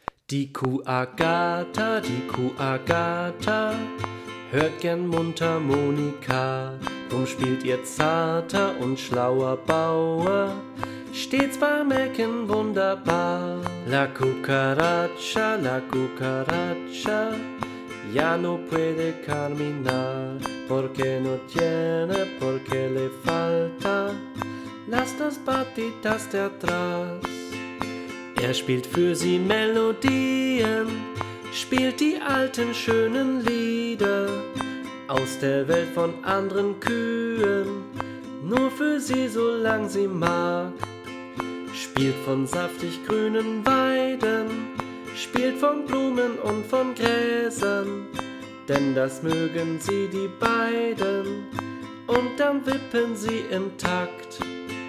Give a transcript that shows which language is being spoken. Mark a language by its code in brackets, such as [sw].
[de] Die Kuh Agatha, die Kuh Agatha, hört gern Mundharmonika. Drum spielt ihr zarter und schlauer Bauer, stets beim Ecken wunderbar. [es] La Cucaracha, la Cucaracha, ya no puede caminar. Porque no tiene, porque le falta las dos patitas de atrás. [de] Er spielt für sie Melodien, spielt die alten schönen Lieder aus der Welt von anderen Kühen, nur für sie, solang sie mag. Spielt von saftig grünen Weiden, spielt von Blumen und von Gräsern, denn das mögen sie die beiden, und dann wippen sie im Takt.